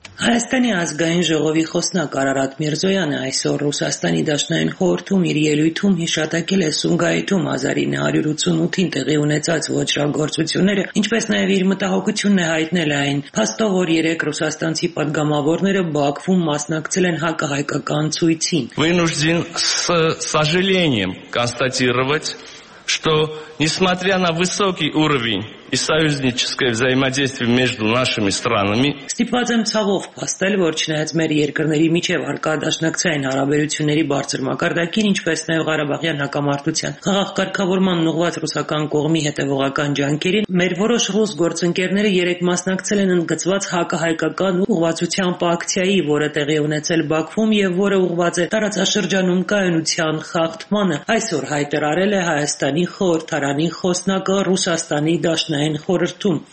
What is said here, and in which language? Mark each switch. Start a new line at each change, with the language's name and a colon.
Armenian: Հայաստանի ազգային ժողովի խոսնակ Արարատ Միրզոյանը այսօր Ռուսաստանի Դաշնային խորհրդում իր ելույթում հիշատակել է Սումգայիթում 1988-ին տեղի ունեցած ոչռագործությունները, ինչպես նաև իր մտահոգությունն է հայտնել այն փաստով, որ երեք ռուսաստանցի պատգամավորները Բաքվում մասնակցել են հակահայկական ցույցին։
Russian: Вынужден с сожалением констатировать, что несмотря на высокий уровень и союзническое взаимодействие между нашими странами.
Armenian: Ստիպածեմ ցավով փաստել, որ չնայած մեր երկրների միջև արկա դաշնակցային հարաբերությունների բարձր մակարդակին, ինչպես նաև Ղարաբաղյան հակամարտության քաղաքակարգավորման ուղղված ռուսական կողմի հետևողական ջանքերին, մեր որոշ ռուս գործընկերները երեք մասնակցել են ընդգծված հակահայկական ուղղվածության ակցիայի, որը տեղի ունեցել Բաքվում և որը ուղղված է տարածաշրջանում կայունության խախտմանը, այսօր հայտարարել է Հայաստանի խորհրդարանի խոսնակը Ռուսաստանի Դաշնային խորհրդում։